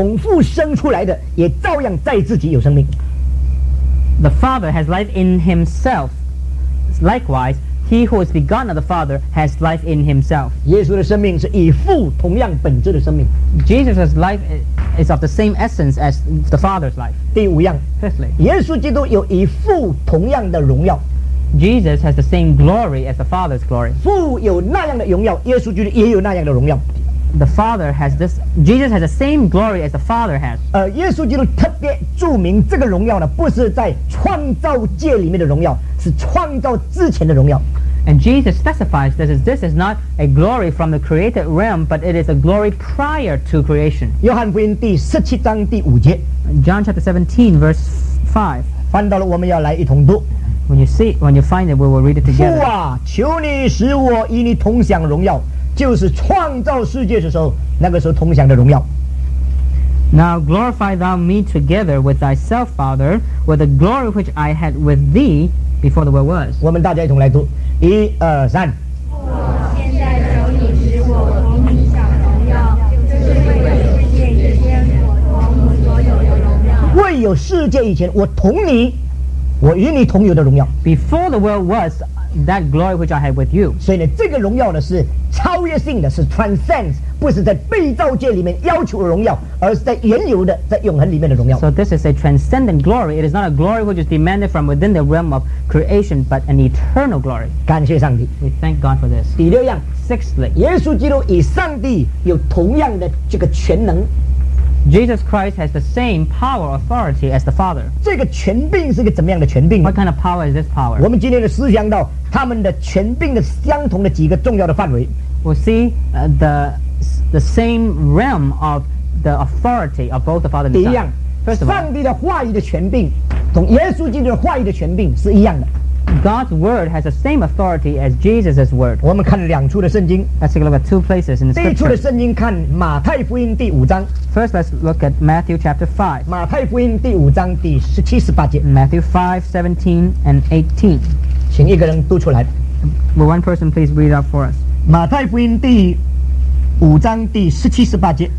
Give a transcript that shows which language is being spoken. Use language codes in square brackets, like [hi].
[zh] 所以呢，父在自己有生命，从父生出来的也照样在自己有生命。 [en] The Father has life in himself. Likewise, he who is begotten of the Father has life in himself. [zh] 耶稣的生命是以父同样本质的生命。 [en] Jesus' life is of the same essence as the Father's life. [zh] 第五样, [en] Fifthly, [zh] 耶稣基督有以父同样的荣耀。 [en] Jesus has the same glory as the Father's glory. [zh] 父有那样的荣耀, 耶稣基督也有那样的荣耀。 [en] The Father has this, Jesus has the same glory as the Father has. [zh] 耶稣基督特别注明这个荣耀呢, 不是在创造界里面的荣耀, 是创造之前的荣耀。 [en] And Jesus specifies that this is not a glory from the created realm, but it is a glory prior to creation. [zh] 约翰福音第17章第5节。 [en] John chapter 17, verse 5. [zh] 翻到了我们要来一同读。 [en] When you find it, we will read it together. [zh] 父啊, 求你使我与你同享荣耀, 就是创造世界的时候, 那个时候同享的荣耀。 [en] Now glorify thou me together with thyself, Father, with the glory which I had with thee before the world was. [zh] 我们大家一同来读。一二三，我现在求你使我同你享荣耀， 就是为了世界也见我同你所有的荣耀。有世界以前，我同你，我与你同有的荣耀。 [en] Before the world was that glory which I had with you. [zh] 所以呢，这个荣耀呢是超越性的，是 transcends， 不是在被造界里面要求的荣耀，而是在原有的，在永恒里面的荣耀。 [en] So this is a transcendent glory. It is not a glory which is demanded from within the realm of creation, but an eternal glory. [zh] 感谢上帝。 [en] We thank God for this. [zh] 第六样。 [en] Sixthly, [zh] 耶稣基督与上帝有同样的这个全能。 [en] Jesus Christ has the same power authority as the Father. [zh] 这个权柄是个怎么样的权柄？ [en] What kind of power is this power? [zh] 我们今天的思想到他们的权柄的相同的几个重要的范围。 [en] We'll see the same realm of the authority of both the Father and the Son. [zh] 第一样， [en] First of all, [zh] 上帝的话语的权柄同耶稣基督的话语的权柄是一样的。 [en] God's word has the same authority as Jesus' word. [zh] 我们看两处的圣经。 [en] Let's take a look at two places in the scripture. [zh] 第一处的圣经看马太福音第五章。 [en] First, let's look at Matthew chapter 5. [zh] 马太福音第五章第十七十八节。 [en] Matthew 5, 17 and 18. [zh] 请一个人读出来。 [en] Will one person please read out for us? [zh] 马太福音第五章第十七十八节。